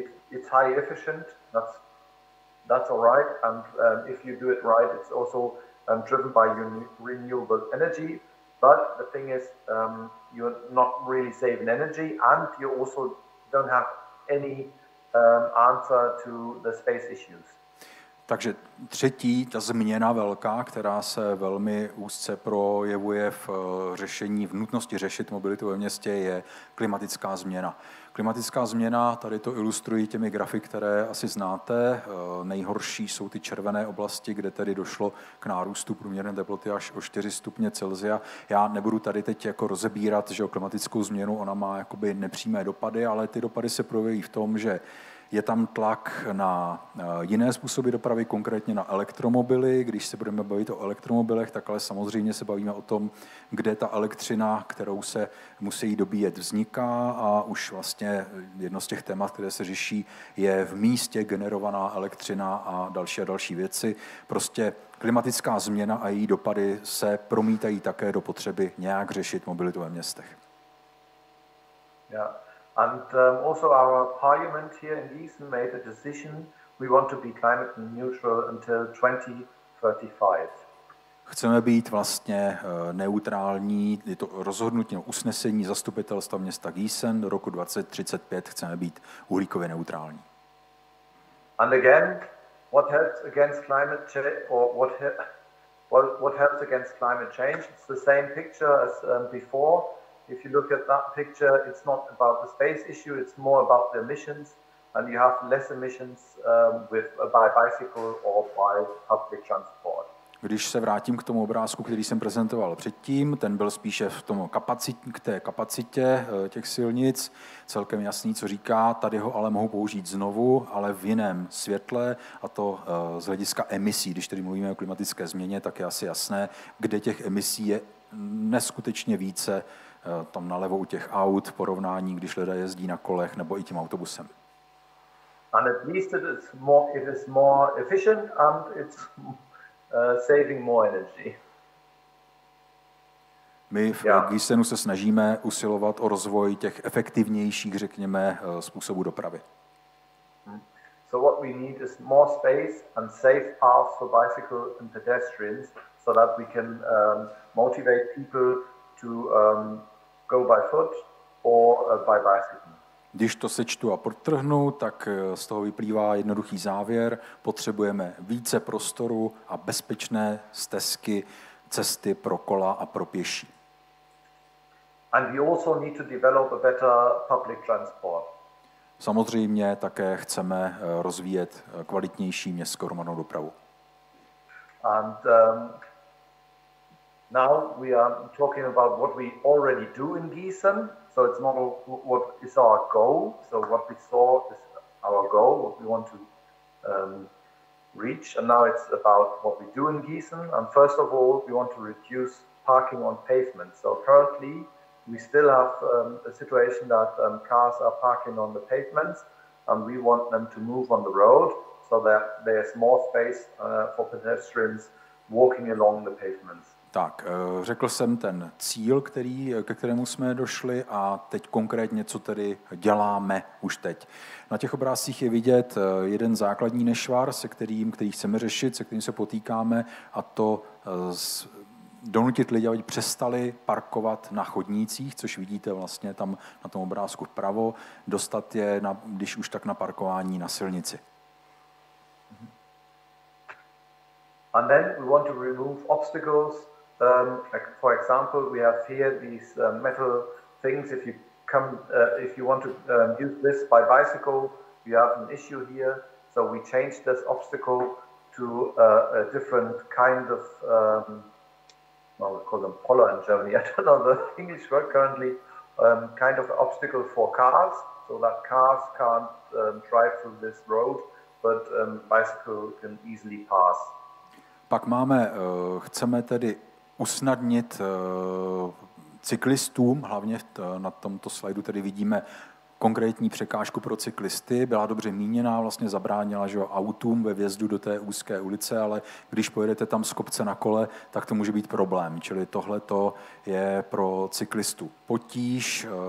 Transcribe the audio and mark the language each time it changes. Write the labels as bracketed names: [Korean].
[English] It's high efficient, that's all right, and if you do it right, it's also driven by renewable energy, but the thing is, you're not really saving energy, and you also don't have any answer to the space issues. [Czech] Takže třetí, ta změna velká, která se velmi úzce projevuje v řešení, v nutnosti řešit mobilitu ve městě, je klimatická změna. Klimatická změna, tady to ilustrují těmi grafy, které asi znáte. Nejhorší jsou ty červené oblasti, kde tedy došlo k nárůstu průměrné teploty až o 4 stupně Celsia. Já nebudu tady teď jako rozebírat, že o klimatickou změnu, ona má jakoby nepřímé dopady, ale ty dopady se projeví v tom, že Je tam tlak na jiné způsoby dopravy, konkrétně na elektromobily. Když se budeme bavit o elektromobilech, tak ale samozřejmě se bavíme o tom, kde ta elektřina, kterou se musí dobíjet, vzniká, a už vlastně jedno z těch témat, které se řeší, je v místě generovaná elektřina a další věci. Prostě klimatická změna a její dopady se promítají také do potřeby nějak řešit mobilitu ve městech. Yeah. [English] And also our parliament here in Gießen made a decision we want to be climate neutral until 2035. [Czech] Chceme být vlastně neutrální, je to rozhodnutí, usnesení zastupitelstva města Gießen do roku 2035 chceme být uhlíkově neutrální. [English] And again, what helps against climate change or what helps against climate change? It's the same picture as before. If you look at that picture, it's not about the space issue, it's more about the emissions, and you have less emissions by bicycle or by public transport. [Czech] Když se vrátím k tomu obrázku, který jsem prezentoval předtím, ten byl spíše v tom kapacitě těch silnic, celkem jasný, co říká, tady ho ale mohu použít znovu, ale v jiném světle, a to z hlediska emisí. Když tady mluvíme o klimatické změně, tak je asi jasné, kde těch emisí je neskutečně více, tam nalevo u těch aut, v porovnání, když lidé jezdí na kolech nebo i tím autobusem. [English] And at least it is more efficient and it's saving more energy. [Czech] My v Gießenu se snažíme usilovat o rozvoj těch efektivnějších, řekněme, způsobů dopravy. [English] So what we need is more space and safe paths for bicycle and pedestrians so that we can motivate people to go by foot or by bicycle. [Czech] Když to sečtu a podtrhnu, tak z toho vyplývá jednoduchý závěr. Potřebujeme více prostoru a bezpečné stezky, cesty pro kola a pro pěší. [English] And we also need to develop a better public transport. [Czech] Samozřejmě také chceme rozvíjet kvalitnější městskou hromadnou dopravu. [English] And now we are talking about what we already do in Gießen. So it's not what is our goal. So what we saw is our goal, what we want to reach. And now it's about what we do in Gießen. And first of all, we want to reduce parking on pavement. So currently, we still have a situation that cars are parking on the pavements, and we want them to move on the road so that there's more space for pedestrians walking along the pavements. [Czech] Tak, řekl jsem ten cíl, ke kterému jsme došli, a teď konkrétně, co tedy děláme už teď. Na těch obrázcích je vidět jeden základní nešvar, který chceme řešit, se kterým se potýkáme, a to donutit lidi, aby přestali parkovat na chodnících, což vidíte vlastně tam na tom obrázku vpravo, dostat je, když už tak, na parkování na silnici. [English] And then we want to remove obstacles. For example, we have here these metal things. If you want to use this by bicycle, you have an issue here. So we change this obstacle to a different kind of, we call them poller in Germany. I don't know the English word currently. Kind of obstacle for cars, so that cars can't drive through this road, but bicycle can easily pass. [Czech] Pak chceme tedy usnadnit cyklistům, hlavně na tomto slajdu tedy vidíme konkrétní překážku pro cyklisty, byla dobře míněná, vlastně zabránila, že jo, autům ve vjezdu do té úzké ulice, ale když pojedete tam z kopce na kole, tak to může být problém, čili tohle to je pro cyklistu potíž,